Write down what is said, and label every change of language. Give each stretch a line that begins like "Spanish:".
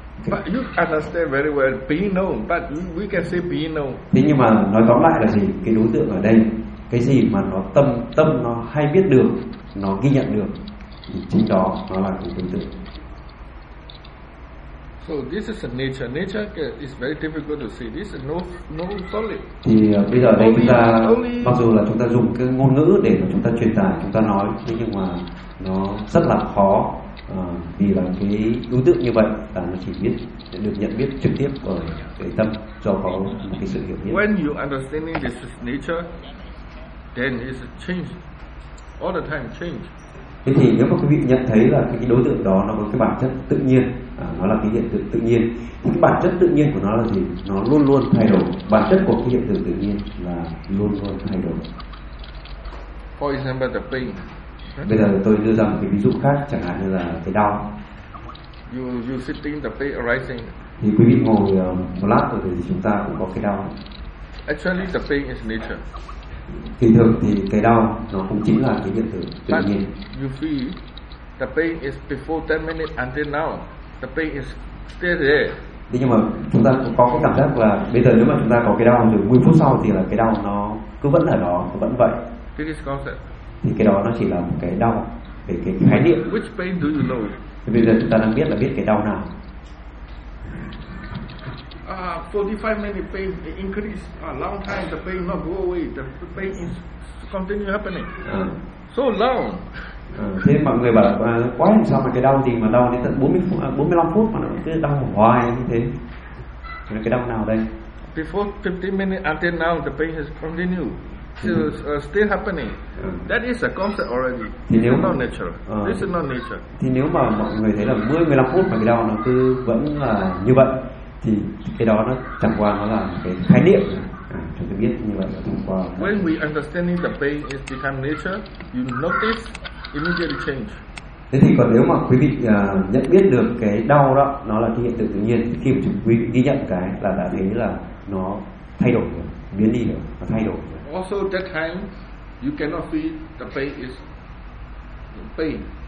English: But you understand very well being known, but we can say being known.
Vietnamese: Thế nhưng mà nói tóm lại là gì? Cái đối tượng ở đây, cái gì mà nó tâm nó hay biết được, nó ghi nhận được, thì chính đó nó là cái đối tượng.
English: So this is a nature. Nature is very difficult to see. This is no solid.
Vietnamese: Thì bây giờ đây chúng ta, mặc dù là chúng ta dùng cái ngôn ngữ để mà chúng ta truyền tải, chúng ta nói, thế nhưng mà nó rất là khó vì là cái đối tượng như vậy là nó chỉ biết được nhận biết trực tiếp ở cái tâm cho có một cái sự hiểu biết.
English: When you understanding this nature, then it's change all the time change.
Vietnamese: Thế thì nếu mà quý vị nhận thấy là cái đối tượng đó nó có cái bản chất tự nhiên, nó là cái hiện tượng tự nhiên, thì cái bản chất tự nhiên của nó là gì? Nó luôn luôn thay đổi. Bản chất của cái hiện tượng tự nhiên là luôn luôn thay đổi.
English: For example, the pain.
Vietnamese: Bây giờ tôi đưa ra một cái ví dụ khác, chẳng hạn như là cái đau.
English: You sitting the pain arising.
Vietnamese: Thì quý vị ngồi một lát rồi thì chúng ta cũng có cái đau.
English: Actually, the pain is nature.
Vietnamese: Thì thường thì cái đau nó cũng chính là cái hiện tượng tự nhiên.
English: You feel the pain is before 10 minutes until now, the pain is still there.
Vietnamese: Thế nhưng mà chúng ta cũng có cái cảm giác là bây giờ nếu mà chúng ta có cái đau được 10 phút sau thì là cái đau nó cứ vẫn ở đó, nó vẫn vậy.
English: This is concept.
Vietnamese: Thì cái đó nó chỉ là một cái đau, cái khái niệm.
English: Which pain do you know?
Vietnamese: Thì bây giờ chúng ta đang biết là biết cái đau nào.
English: 45 minute pain increase a long time, the pain not go away, the pain is continue happening so long.
Vietnamese: Thế mọi người bảo là quá làm sao mà cái đau gì mà đau đến tận 45 phút mà nó cứ đau hoài như thế, thì cái đau nào đây?
English: Before 15 minutes until now, the pain has continued. Still happening. That is a concept already.
Vietnamese: Thì nếu
English: not natural. This is not nature.
Vietnamese: Thì nếu mà mọi người thấy là 10-15 phút mà cái đau nó cứ vẫn là như vậy, thì cái đó nó chẳng qua nó là cái khái niệm. Chúng ta biết như vậy là chẳng qua.
English: When we understanding the pain is become nature, you notice immediate change.
Vietnamese: Thế thì còn nếu mà quý vị nhận biết được cái đau đó nó là cái hiện tượng tự nhiên, khi mà chúng quý vị ghi nhận cái là đã thấy là nó thay đổi, biến đi rồi, nó thay đổi.
English: Also that time you cannot feel the pain is pain.